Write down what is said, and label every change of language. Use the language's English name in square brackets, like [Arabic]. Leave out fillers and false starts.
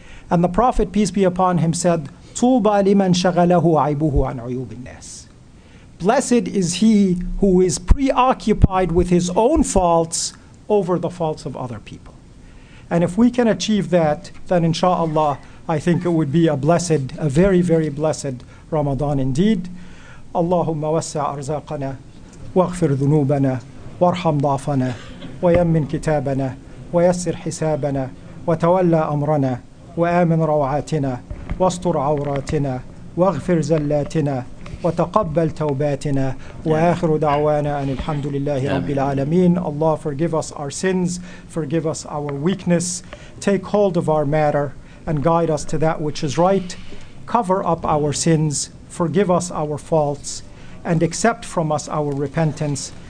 [English] And the Prophet, peace be upon him, said, [Arabic] "Tuba liman shaghalahu aibuhu an uyubin nas." [English] Blessed is he who is preoccupied with his own faults over the faults of other people. And if we can achieve that, then inshallah, I think it would be a very, very blessed Ramadan indeed. [Arabic] Allahumma wassa arzaqana, waghfir dhunubana, warham dafana, ويمن كتابنا ويسر حسابنا وتولى أمرنا وآمن روعاتنا واستر عوراتنا واغفر زلاتنا وتقبل توباتنا وآخر دعوانا أن الحمد لله رب العالمين. [English] Allah, forgive us our sins, forgive us our weakness, take hold of our matter and guide us to that which is right, cover up our sins, forgive us our faults, and accept from us our repentance.